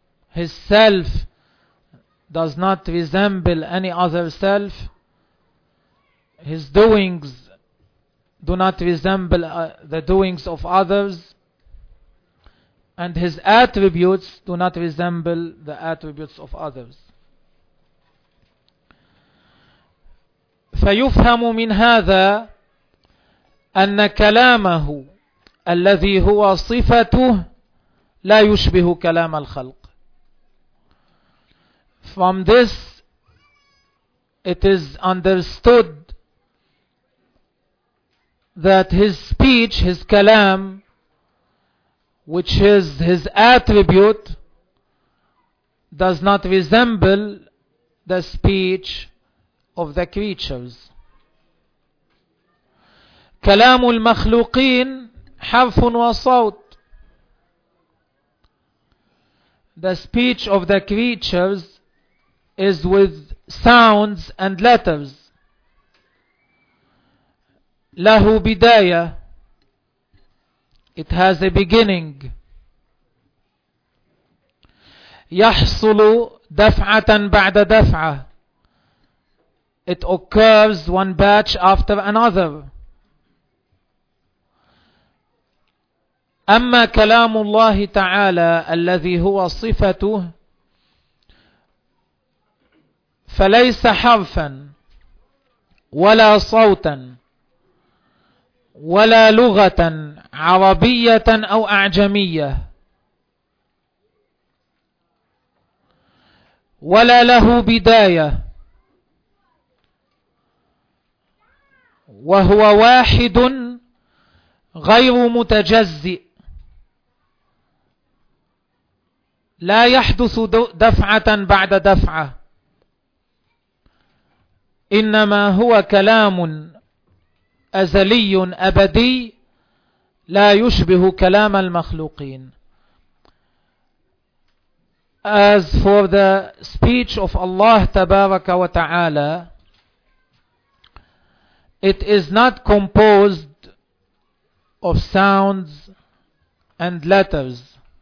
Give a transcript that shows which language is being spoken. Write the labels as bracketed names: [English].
[English] His self does not resemble any other self. His doings do not resemble the doings of others. And his attributes do not resemble the attributes of others. [Arabic] فيفهم من هذا أن كلامه الذي هو صفته لا يشبه كلام الخلق. [English] From this, it is understood that his speech, his kalam, which is his attribute, does not resemble the speech of the creatures. [Arabic] كلام المخلوقين حرف وصوت. [English] The speech of the creatures is with sounds and letters. [Arabic] له بداية. [English] It has a beginning. [Arabic] يحصل دفعة بعد دفعة. [English] It occurs one batch after another. [Arabic] أما كلام الله تعالى الذي هو صفته فليس حرفا ولا صوتا ولا لغة عربية أو أعجمية، ولا له بداية، وهو واحد غير متجزئ، لا يحدث دفعة بعد دفعة، إنما هو كلام أزلي أبدي لا يشبه كلام المخلوقين. [English] As for the speech of Allah تبارك وتعالى, it is not composed of sounds and letters.